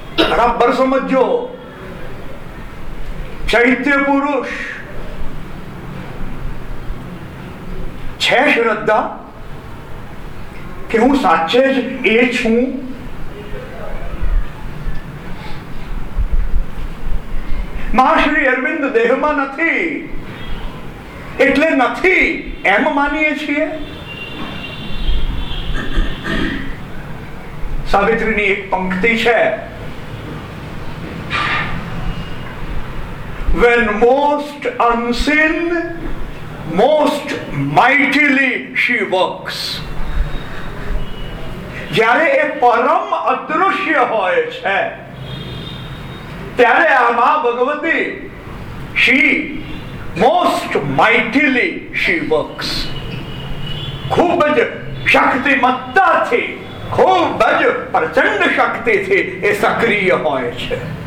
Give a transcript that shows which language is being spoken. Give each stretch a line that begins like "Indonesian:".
Gujarati: બરાબર સમજો, ચૈત્ય પુરુષ છે શ્રદ્ધા કે હું સાચે જ એ છું. મા શ્રી અરવિંદ દેહમાં નથી એટલે નથી એમ માનીએ છીએ. સાવિત્રીની એક પંક્તિ છે,
English: when most unseen most mightily she works.
Gujarati: જ્યારે એ પરમ અદૃશ્ય હોય છે ત્યારે આ મા ભગવતી
English: she most mightily she works,
Gujarati: ખૂબ જ શક્તિમત્તાથી, ખૂબ જ પ્રચંડ શક્તિથી એ સક્રિય હોય છે.